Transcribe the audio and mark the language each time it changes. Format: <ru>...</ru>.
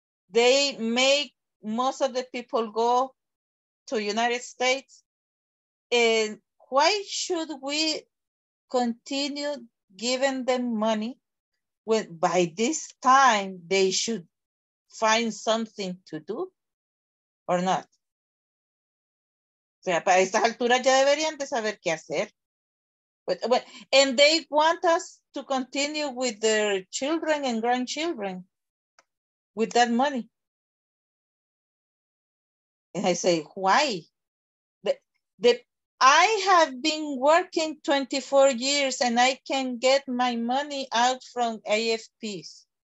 <en>They make most of the people go to United States. And why should we continue giving them money when by this time they should find something to do or not?</en> <es>O sea, para estas alturas ya deberían de saber qué hacer.</es> <en>But, and they want us to continue with their children and grandchildren with that money. And I say, why? I have been working 24 years and I can get my money out from AFPs.</en>